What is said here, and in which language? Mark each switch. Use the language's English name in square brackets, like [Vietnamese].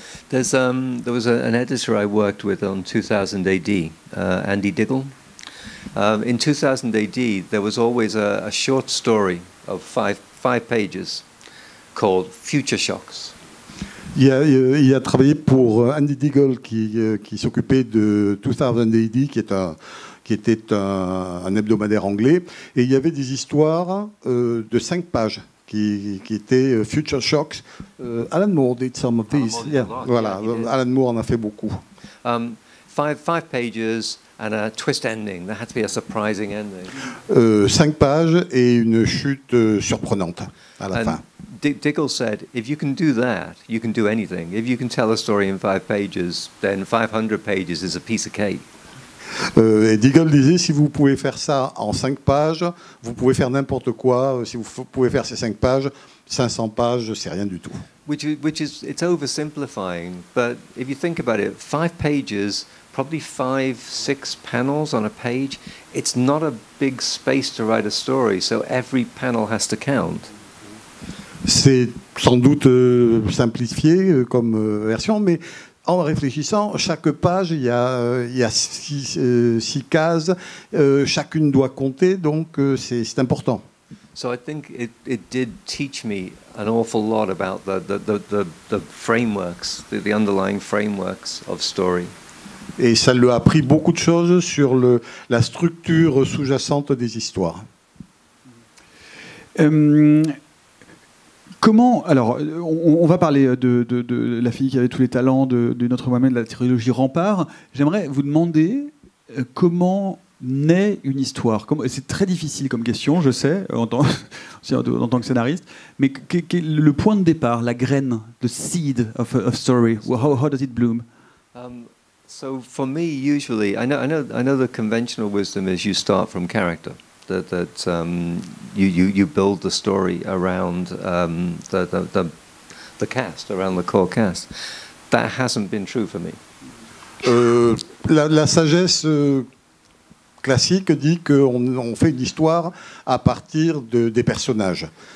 [English] There was an editor I worked with on 2000 AD, Andy Diggle. In 2000 AD, there was always a short story of five pages called Future Shocks. [French] Il a travaillé pour Andy Diggle qui s'occupait de 2000 AD, qui était un hebdomadaire anglais. Et il y avait des histoires de cinq pages qui étaient Future Shocks. [English] Alan Moore did some of these. Yeah. [French] Voilà, yeah, Alan Moore en a fait beaucoup. [English] Five pages and a twist ending. There had to be a surprising ending. [French] Cinq pages et une chute surprenante à la fin. [English] Diggle said, if you can do that, you can do anything. If you can tell a story in five pages, then 500 pages is a piece of cake. [French] Et Diggle disait, si vous pouvez faire ça en cinq pages, vous pouvez faire n'importe quoi. Si vous pouvez faire ces cinq pages, 500 pages, c'est rien du tout. [English] It's oversimplifying, but if you think about it, five pages, probably five, six panels on a page, it's not a big space to write a story, so every panel has to count. [French] C'est sans doute simplifié comme version, mais en réfléchissant, chaque page, il y a six cases, chacune doit compter, donc c'est important. [English] So I think it did teach me an awful lot about the frameworks, the underlying frameworks of story. [French] Et ça lui a appris beaucoup de choses sur la structure sous-jacente des histoires. Comment, alors, on va parler de La fille qui avait tous les talents, de Notre-Dame de la trilogie Rempart. J'aimerais vous demander comment naît une histoire. C'est très difficile comme question, je sais, en tant que scénariste. Mais quel est le point de départ, la graine, [English] the seed of a story? How does it bloom? So for me, usually, I know the conventional wisdom is you start from character. That you build the story around the cast, around the core cast. That hasn't been true for me. [French] La sagesse classique dit qu'on fait une histoire à partir des personnages.